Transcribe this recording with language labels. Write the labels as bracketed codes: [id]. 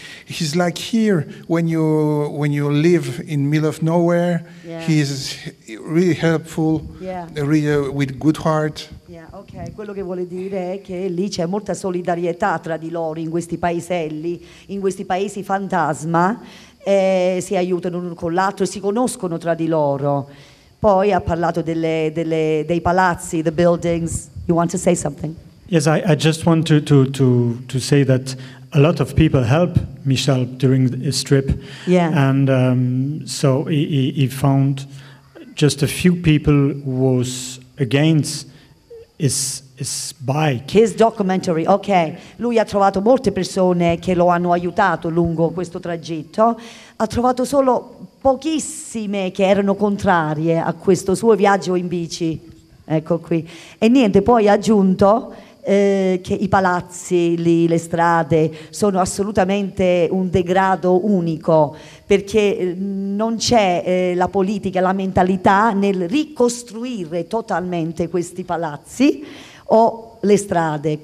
[en] He's like here when you live in middle of nowhere. Yeah. He's really helpful. Yeah. Really with good heart. Yeah. [it] Ok, quello che vuole dire è che lì c'è molta solidarietà tra di loro in questi paeselli, in questi paesi fantasma, e si aiutano l'uno con l'altro e si conoscono tra di loro. Poi ha parlato dei palazzi, [en] the buildings. You want to say something? Yes, I just want to say that a lot of people help Michel during his trip. Yeah. And so he found just a few people who was against his bike. His documentary, ok. [it] Lui ha trovato molte persone che lo hanno aiutato lungo questo tragitto. Ha trovato solo pochissime che erano contrarie a questo suo viaggio in bici. Ecco qui. E niente, poi ha aggiunto che i palazzi lì, le strade, sono assolutamente un degrado unico, perché non c'è la politica, la mentalità nel ricostruire totalmente questi palazzi o le strade.